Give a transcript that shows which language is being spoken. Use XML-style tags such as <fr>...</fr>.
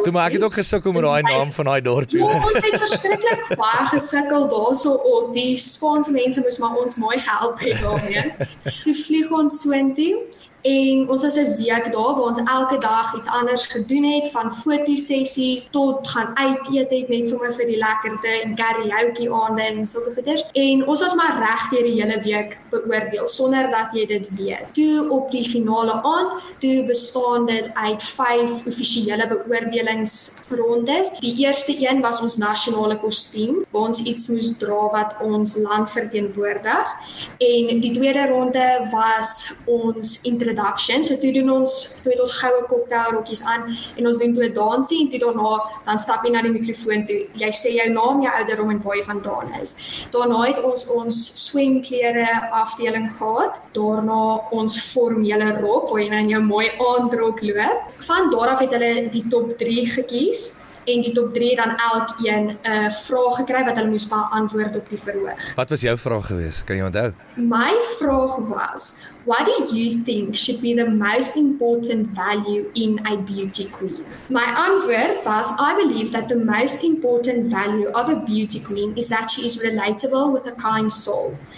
<af>Toe, maar ek het ook gesukkel met daai naam van daai dorp. Ons het verskriklik baie gesukkel daarso op. Die Spaanse mense moes maar ons mooi help hê daarmee. Toe vlieg ons soontoe en ons was 'n week daar waar ons elke dag iets anders gedoen het, van fotosessies tot gaan uit eet het net sommer vir die lekkerte en karaoke aande en sulke goeders. En ons was maar reg deur die hele week beoordeel sonder dat jy dit weet. Toe op die finale aand, toe bestaan dit uit 5 offisiële beoordelingsrondes. Die eerste een was ons nasionale kostuum, waar ons iets moes dra wat ons land verteenwoordig. En die tweede ronde was ons introduction. So toe doen ons, toe het ons goue koktailrokkies aan en ons doen toe 'n dansie en toe daarna dan stap jy na die mikrofoon toe. Jy sê jou naam, jou ouderdom en waar jy vandaan is. Daarna het ons swemklere afdeling gehad. Daarna ons formele rok waar jy nou in jou mooi aandrok loop. Van daar af het hulle die top 3 gekies en die top 3 dan elk een 'n vraag gekry wat hulle moes beantwoord op die verhoog. Wat was jou vraag gewees? Kan jy onthou? My vraag was,</af> <en>what do you think should be the most important value in a beauty queen?</en> <af>My antwoord was,</af> <en>I believe that the most important value of a beauty queen is that she is relatable with a kind soul.</en>